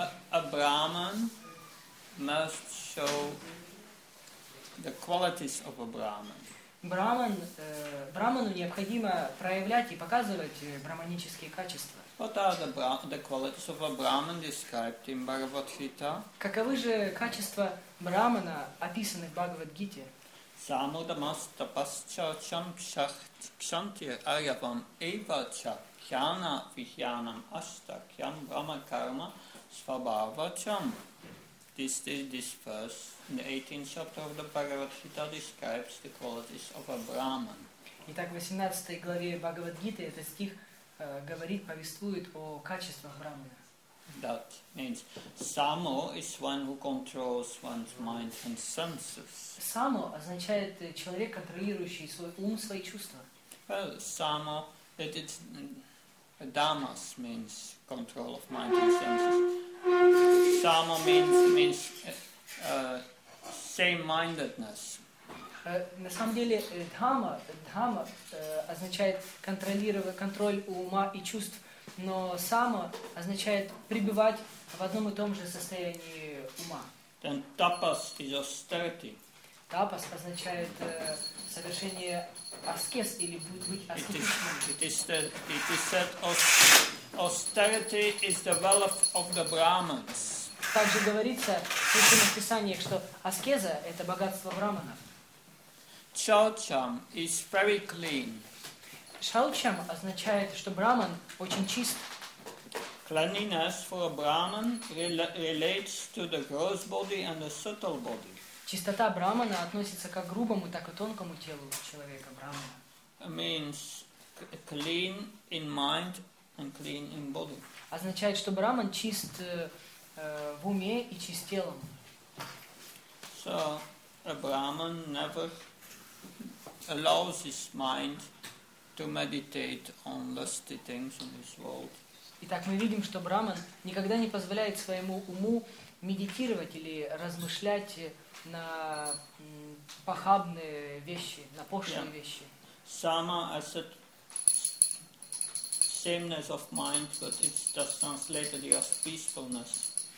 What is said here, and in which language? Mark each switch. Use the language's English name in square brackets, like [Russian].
[English] A brahman must show the qualities of a brahman. [Russian] Браман, браману необходимо проявлять и показывать браманические качества. [English] What are the qualities of a brahman described in Bhagavad Gita? [Russian] Каковы же качества брамана описаны в Бхагавад Гите? [Sanskrit] Самудамастапасчарчам кшантир аявам эйвача кьяна вихьянам ашта кьям брама карма свабавачам. [English] This verse in the 18th chapter of the Bhagavad Gita describes the qualities of a brahman. [Russian] Итак, в 18 главе Бхагавад Гиты этот стих говорит, повествует о качествах брамана. [English] That means samo is one who controls one's mind and senses. [Russian] Samo означает человек, контролирующий свой ум, свои чувства. [English] Well, samo, it's dhammas means control of mind and senses. Samo means same-mindedness. [Russian] На самом деле дхамма означает контроль ума и чувств, но само означает пребывать в одном и том же состоянии ума. [English] Then tapas is austerity. [Russian] Tapas означает совершение аскез или быть аскетичным. [English] It is said austerity is the wealth of the Brahmins. [Russian] Также говорится в Священных Писаниях, что аскеза – это богатство брахманов. [English] Шаучам is very clean. [Russian] Шаучам означает, что браман очень чист. [English] Cleanliness for a brahman relates to the gross body and the subtle body. [Russian] Чистота брамана относится как к грубому, так и тонкому телу человека брамана. [English] Means clean in mind and clean in body. [Russian] Означает, что браман чист в уме и чист телом. [English] So a brahman never allows his mind to meditate on lusty things in this world. [Russian] Итак, мы видим, что браман никогда не позволяет своему уму медитировать или размышлять на похабные вещи, на пошлые вещи. [English] Sama as a sameness of mind, but it's just translated as peacefulness.